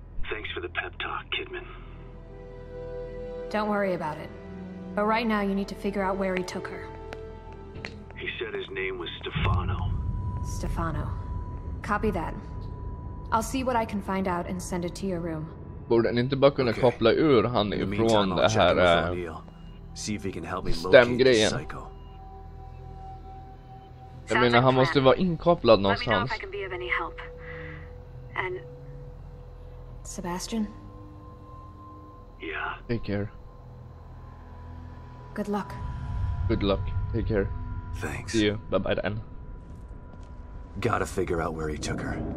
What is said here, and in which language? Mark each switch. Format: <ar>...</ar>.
<en>Thanks for the pep talk, Kidman. Don't worry about it. But right now you need to figure out where he took her. He said his name was Stefano. Stefano. Copy that. I'll see what I can find out and send it to your room.</en> <sv>Borde han inte bara kunna koppla ur han ifrån det här...</sv> <en>See if he can help me locate the psycho.</en> <sv>Jag menar, han måste vara inkopplad någonstans.</sv> <en>Let me know if I can be of any help. And Sebastian? Yeah. Take care. Good luck. Good luck. Take care. Thanks. See you. Bye bye then. Gotta figure out where he took her.</en>